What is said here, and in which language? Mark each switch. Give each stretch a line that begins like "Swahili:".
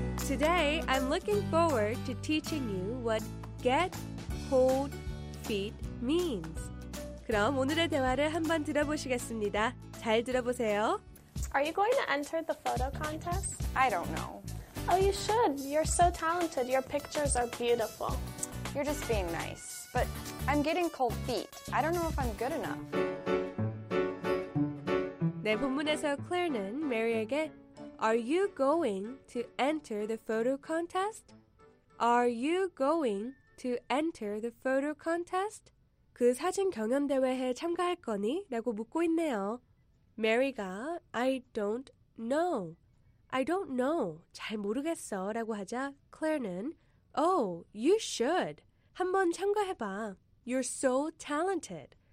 Korean: 오늘
English: I'm looking forward to teaching you what get cold feet means.
Korean: 그럼 오늘의 대화를 한번 들어보시겠습니다. 잘 들어보세요.
English: Are you going to enter the photo contest? I don't know. Oh, you should. You're so talented. Your pictures are beautiful. You're just being nice. But I'm getting cold feet. I don't know if I'm good enough.
Korean: 네, 본문에서 Claire는 Mary에게
English: Are you going to enter the photo contest? Are you going to enter the photo contest?
Korean: 그 사진 경연대회에 참가할 거니? 라고 묻고 있네요. Mary가
English: I don't know. I don't know.
Korean: 잘 모르겠어. 라고 하자 Claire는
English: Oh, you should.
Korean: 한번 참가해봐.
English: You're so talented.